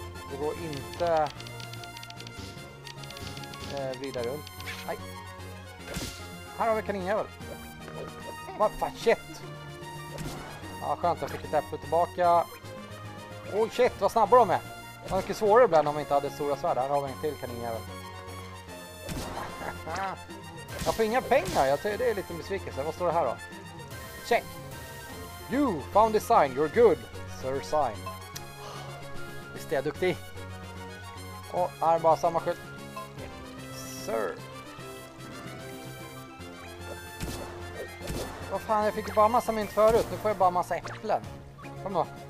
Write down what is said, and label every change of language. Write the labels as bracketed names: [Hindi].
[Swedish] Det går inte vidare runt. Nej. Här har vi kaninjävel. Vad fan, shit! Ja, skönt, jag fick ett äpple tillbaka. Oh shit, vad snabbare de är! Det var mycket svårare ibland om vi inte hade stora svärd. Här har vi en till kaninjävel. Jag får inga pengar, jag tycker det är lite besvikelse. Vad står det här då? Check! [English] You found the sign, you're good, sir sign. [Swedish] Visst är jag duktig? Och här är bara samma skylt. Sir. Vad fan, jag fick bara massa mynt förut, nu får jag bara massa äpplen. Kom då.